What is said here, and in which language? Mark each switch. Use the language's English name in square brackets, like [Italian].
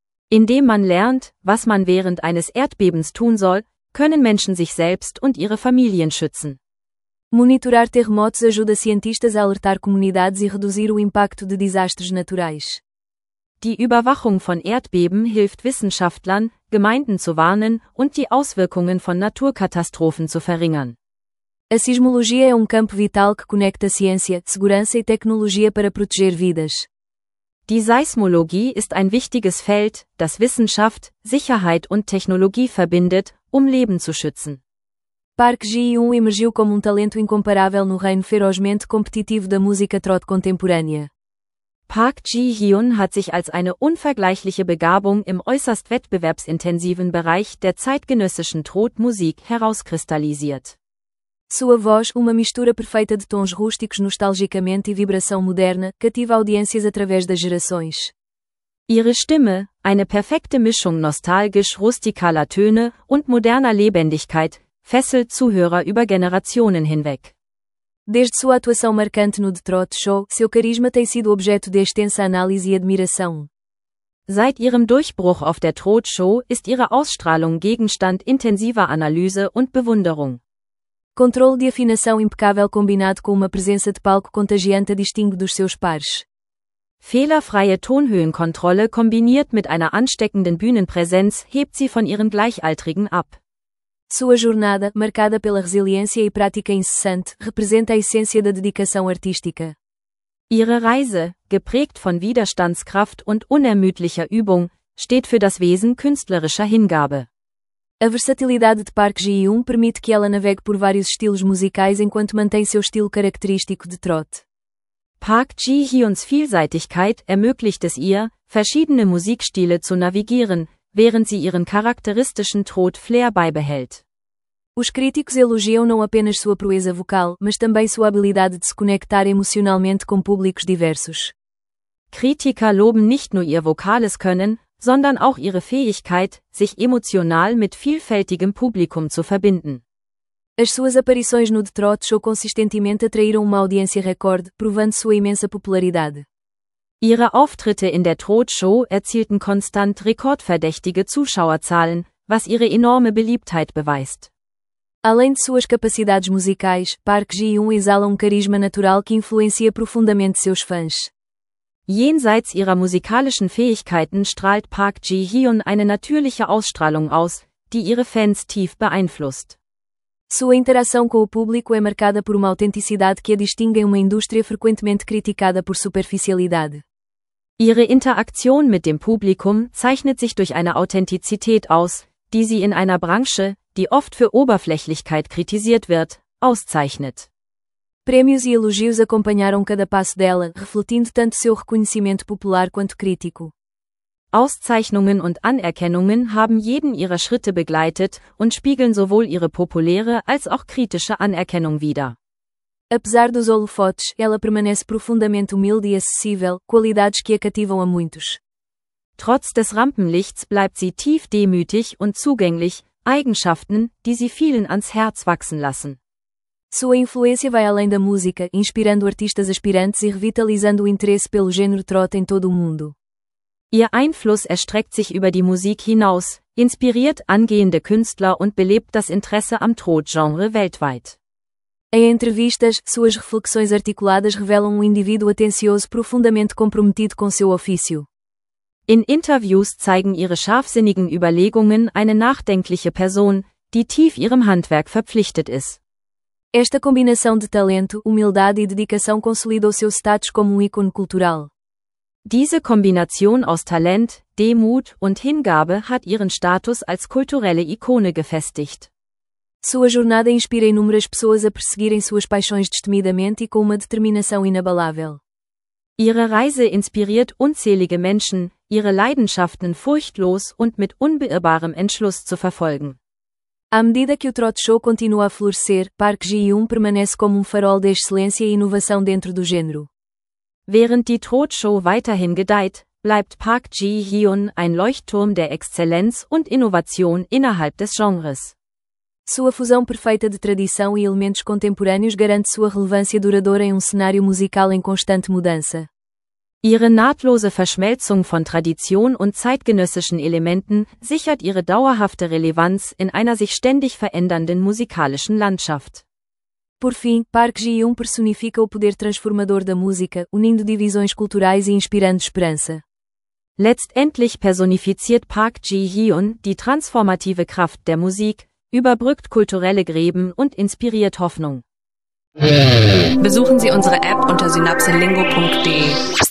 [German] Indem man lernt, was man während eines Erdbebens tun soll, können Menschen sich selbst und ihre Familien schützen. [Portuguese] Monitorar terremotos ajuda cientistas a alertar comunidades e reduzir o impacto de desastres naturais. [German] Die Überwachung von Erdbeben hilft Wissenschaftlern, Gemeinden zu warnen und die Auswirkungen von Naturkatastrophen zu verringern. [Portuguese] A sismologia é campo vital que conecta ciência, segurança e tecnologia para proteger vidas. [German] Die Seismologie ist ein wichtiges Feld, das Wissenschaft, Sicherheit und Technologie verbindet, Leben zu schützen. [Portuguese] Park Ji-yoon emergiu como talento incomparável no reino ferozmente competitivo da música trot contemporânea. [German] Park Ji-hyun hat sich als eine unvergleichliche Begabung im äußerst wettbewerbsintensiven Bereich der zeitgenössischen Trot-Musik herauskristallisiert. [Portuguese] Sua voz, uma mistura perfeita de tons rústicos nostalgicamente e vibração moderna, cativa audiências através das gerações. [German] Ihre Stimme, eine perfekte Mischung nostalgisch-rustikaler Töne und moderner Lebendigkeit, fesselt Zuhörer über Generationen hinweg. [Portuguese] Desde sua atuação marcante no The Trot Show, seu carisma tem sido objeto de extensa análise e admiração. [German] Seit ihrem Durchbruch auf der Trot Show ist ihre Ausstrahlung Gegenstand intensiver Analyse und Bewunderung. [Portuguese] Controle de afinação impecável combinado com uma presença de palco contagiante a distingue dos seus pares. [German] Fehlerfreie Tonhöhenkontrolle kombiniert mit einer ansteckenden Bühnenpräsenz hebt sie von ihren Gleichaltrigen ab. [Portuguese] Sua jornada, marcada pela resiliência e prática incessante, representa a essência da dedicação artística. [German] Ihre Reise, geprägt von Widerstandskraft und unermüdlicher Übung, steht für das Wesen künstlerischer Hingabe. [Portuguese] A versatilidade de Park Ji-yoon permite que ela navegue por vários estilos musicais enquanto mantém seu estilo característico de trot. [German] Park Ji-hyuns Vielseitigkeit ermöglicht es ihr, verschiedene Musikstile zu navigieren, während sie ihren charakteristischen Trot-Flair beibehält. [Portuguese] Os críticos elogiam não apenas sua proeza vocal, mas também sua habilidade de se conectar emocionalmente com públicos diversos. [German] Kritiker loben nicht nur ihr vokales Können, sondern auch ihre Fähigkeit, sich emotional mit vielfältigem Publikum zu verbinden. [Portuguese] As suas aparições no The Trot Show consistentemente atraíram uma audiência recorde, provando sua imensa popularidade. [German] Ihre Auftritte in der Trot Show erzielten konstant rekordverdächtige Zuschauerzahlen, was ihre enorme Beliebtheit beweist. [Portuguese] Além de suas capacidades musicais, Park Ji-yoon exala carisma natural que influencia profundamente seus fãs. [German] Jenseits ihrer musikalischen Fähigkeiten strahlt Park Ji-hyun eine natürliche Ausstrahlung aus, die ihre Fans tief beeinflusst. [Portuguese] Sua interação com o público é marcada por uma autenticidade que a distingue em uma indústria frequentemente criticada por superficialidade. [German] Ihre Interaktion mit dem Publikum zeichnet sich durch eine Authentizität aus, die sie in einer Branche, die oft für Oberflächlichkeit kritisiert wird, auszeichnet. [Portuguese] Prêmios e elogios acompanharam cada passo dela, refletindo tanto seu reconhecimento popular quanto crítico. [German] Auszeichnungen und Anerkennungen haben jeden ihrer Schritte begleitet und spiegeln sowohl ihre populäre als auch kritische Anerkennung wider. [Portuguese] Apesar dos holofotes, ela permanece profundamente humilde e acessível, qualidades que a cativam a muitos. [German] Trotz des Rampenlichts bleibt sie tief demütig und zugänglich, Eigenschaften, die sie vielen ans Herz wachsen lassen. [Portuguese] Sua influência vai além da música, inspirando artistas aspirantes e revitalizando o interesse pelo gênero trot em todo o mundo. [German] Ihr Einfluss erstreckt sich über die Musik hinaus, inspiriert angehende Künstler und belebt das Interesse am Trot-Genre weltweit. [Portuguese] Em entrevistas, suas reflexões articuladas revelam um indivíduo atencioso profundamente comprometido com seu ofício. [German] In Interviews zeigen ihre scharfsinnigen Überlegungen eine nachdenkliche Person, die tief ihrem Handwerk verpflichtet ist. [Portuguese] Esta combinação de talento, humildade e dedicação consolidou seu status como um ícone cultural. [German] Diese Kombination aus Talent, Demut und Hingabe hat ihren Status als kulturelle Ikone gefestigt. [Portuguese] Sua jornada inspira inúmeras pessoas a perseguirem suas paixões destemidamente e com uma determinação inabalável. [German] Ihre Reise inspiriert unzählige Menschen, ihre Leidenschaften furchtlos und mit unbeirrbarem Entschluss zu verfolgen. [Portuguese] À medida que o Trot Show continua a florescer, Park Ji-hyun permanece como farol de excelência e inovação dentro do gênero. [German] Während die Trot-Show weiterhin gedeiht, bleibt Park Ji-hyun ein Leuchtturm der Exzellenz und Innovation innerhalb des Genres. [Portuguese] Sua fusão perfeita de tradição e elementos contemporâneos garante sua relevância duradoura em cenário musical em constante mudança. [German] Ihre nahtlose Verschmelzung von Tradition und zeitgenössischen Elementen sichert ihre dauerhafte Relevanz in einer sich ständig verändernden musikalischen Landschaft. [Portuguese] Por fim, Park Ji-hyun personifica o poder transformador da música, unindo divisões culturais e inspirando esperança. [German] Letztendlich personifiziert Park Ji-hyun die transformative Kraft der Musik, überbrückt kulturelle Gräben und inspiriert Hoffnung. Besuchen Sie unsere App unter synapselingo.de.